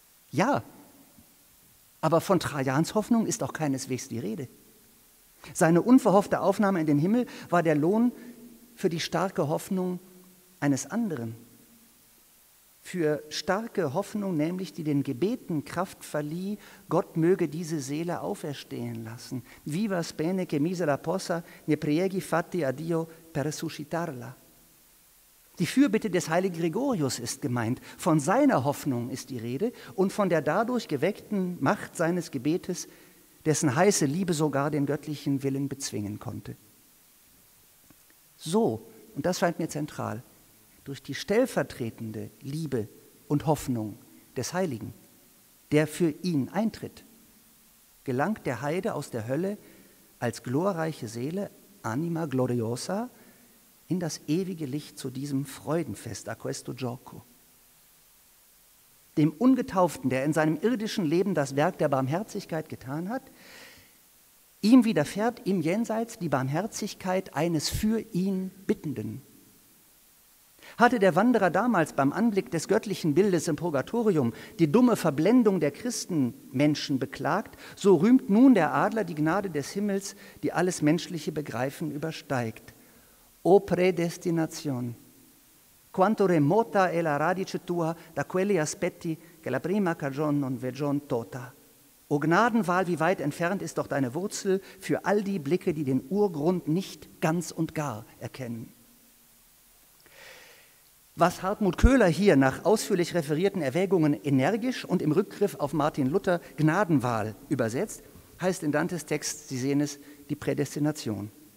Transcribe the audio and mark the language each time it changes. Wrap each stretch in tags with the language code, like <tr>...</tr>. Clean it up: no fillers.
<de>Ja, aber von Trajans Hoffnung ist auch keineswegs die Rede. Seine unverhoffte Aufnahme in den Himmel war der Lohn für die starke Hoffnung eines anderen. Für starke Hoffnung, nämlich die den Gebeten Kraft verlieh, Gott möge diese Seele auferstehen lassen.</de> <it>Viva spene che misera possa ne prieghi fatti a Dio per resuscitarla.</it> <de>Die Fürbitte des heiligen Gregorius ist gemeint. Von seiner Hoffnung ist die Rede und von der dadurch geweckten Macht seines Gebetes, dessen heiße Liebe sogar den göttlichen Willen bezwingen konnte. So, und das scheint mir zentral, durch die stellvertretende Liebe und Hoffnung des Heiligen, der für ihn eintritt, gelangt der Heide aus der Hölle als glorreiche Seele,</de> <it>Anima Gloriosa,</it> <de>in das ewige Licht zu diesem Freudenfest,</de> <it>a questo gioco.</it> <de>Dem Ungetauften, der in seinem irdischen Leben das Werk der Barmherzigkeit getan hat, ihm widerfährt im Jenseits die Barmherzigkeit eines für ihn Bittenden. Hatte der Wanderer damals beim Anblick des göttlichen Bildes im Purgatorium die dumme Verblendung der Christenmenschen beklagt, so rühmt nun der Adler die Gnade des Himmels, die alles menschliche Begreifen übersteigt.</de> <it>O predestination, quanto remota è la radice tua da quelli aspetti che la prima cagion non vegion tota.</it> <de>O Gnadenwahl, wie weit entfernt ist doch deine Wurzel für all die Blicke, die den Urgrund nicht ganz und gar erkennen. Was Hartmut Köhler hier nach ausführlich referierten Erwägungen energisch und im Rückgriff auf Martin Luther Gnadenwahl übersetzt, heißt in Dantes Text, Sie sehen es, die Prädestination.</de>